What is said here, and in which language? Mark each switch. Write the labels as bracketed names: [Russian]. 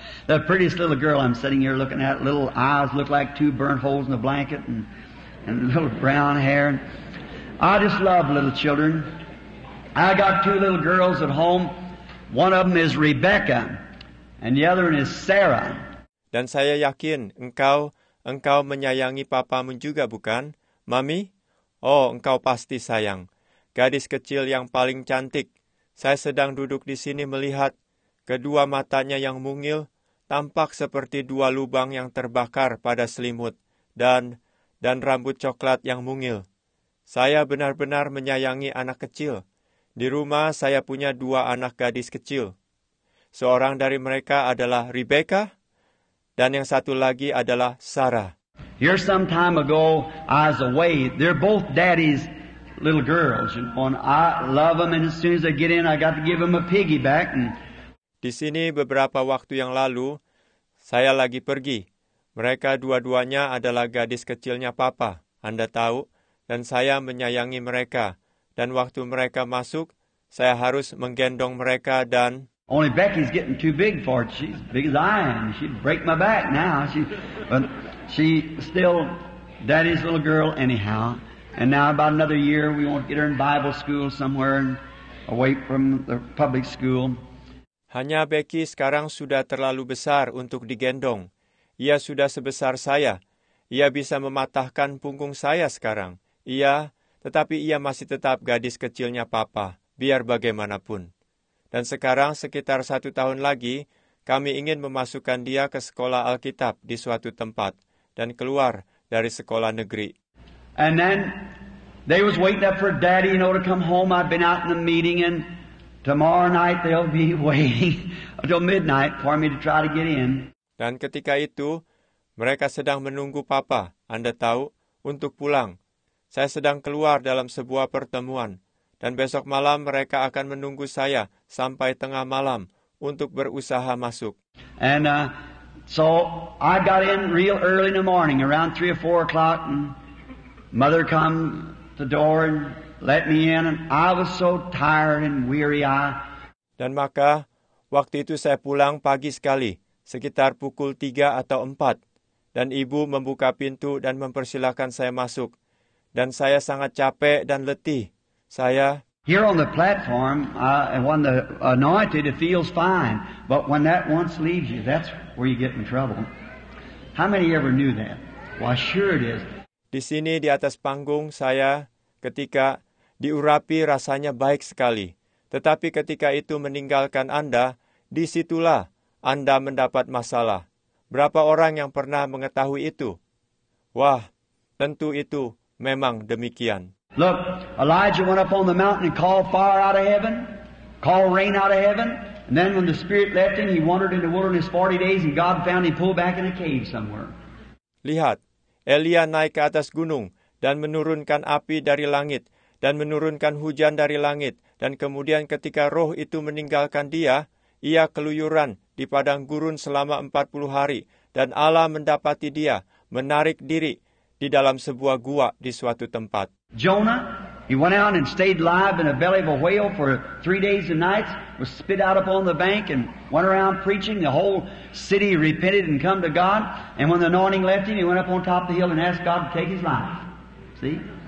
[English] The prettiest little girl I'm sitting here looking at, little eyes look like two burnt holes in a blanket, and little brown hair. I just love little children. I got two little girls at home. One of them is Rebecca, and the other one is Sarah. [Indonesian] Dan saya yakin engkau menyayangi papamu juga, bukan? Mami? Oh, engkau pasti sayang. Gadis kecil yang paling cantik. Saya sedang duduk di sini melihat kedua matanya yang mungil tampak seperti dua lubang yang terbakar pada selimut dan rambut coklat yang mungil. Saya benar-benar menyayangi anak kecil. Di rumah saya punya dua anak gadis kecil. Seorang dari mereka adalah Rebecca, dan yang satu lagi adalah Sarah. [English] Here some time ago, I was away. They're both daddy's little girls. And I love them, and as soon as they get in, I got to give them a piggyback. [Indonesian] Di sini beberapa waktu yang lalu, saya lagi pergi. Mereka dua-duanya adalah gadis kecilnya papa, Anda tahu, dan saya menyayangi mereka. Dan waktu mereka masuk, saya harus menggendong mereka dan... [English] Only Becky's getting too big for it. She's big as I am. She'd break my back now. But she's still daddy's little girl anyhow. And now about another year, we want to get her in Bible school somewhere and away from the public school. [Indonesian] Hanya Becky sekarang sudah terlalu besar untuk digendong. Ia sudah sebesar saya. Ia bisa mematahkan punggung saya sekarang. Tetapi ia masih tetap gadis kecilnya papa, biar bagaimanapun. Dan sekarang sekitar satu tahun lagi, kami ingin memasukkan dia ke sekolah Alkitab di suatu tempat dan keluar dari sekolah negeri. [English] And then they was waiting up for daddy, you know, to come home. I've been out in the meeting, and tomorrow night they'll be waiting until midnight for me to try to get in. [Indonesian] Dan ketika itu, mereka sedang menunggu papa, Anda tahu, untuk pulang. Saya sedang keluar dalam sebuah pertemuan, dan besok malam mereka akan menunggu saya sampai tengah malam untuk berusaha masuk. [English] And so I got in real early in the morning, around 3 or 4 o'clock, and mother come to the door and let me in, and I was so tired and weary. [Indonesian] Dan maka, waktu itu saya pulang pagi sekali, sekitar pukul 3 atau 4, dan ibu membuka pintu dan mempersilakan saya masuk. Dan saya sangat capek dan letih. Saya [English] here on the platform, when the anointed, it feels fine. But when that once leaves you, that's where you get in trouble. How many ever knew that? Well, sure it is. [Indonesian] Di sini di atas panggung saya, ketika diurapi rasanya baik sekali. Tetapi ketika itu meninggalkan Anda, disitulah Anda mendapat masalah. Berapa orang yang pernah mengetahui itu? Wah, tentu itu. Memang demikian. [English] Look, Elijah went up on the mountain and called fire out of heaven, called rain out of heaven, and then when the Spirit left him, he wandered in the wilderness 40 days, and God found him pulled back in a cave somewhere. [Indonesian] Lihat, Elia naik ke atas gunung dan menurunkan api dari langit dan menurunkan hujan dari langit, dan kemudian ketika roh itu meninggalkan dia, ia keluyuran di padang gurun selama 40 hari, dan Allah mendapati dia menarik diri di dalam sebuah gua di suatu tempat. [English] Jonah, he went out and stayed live in the belly of a whale for 3 days and nights, was spit out upon the bank and went around preaching. The whole city repented and come to God. And when the anointing left him, he went up on top of the hill and asked God to take his life. See?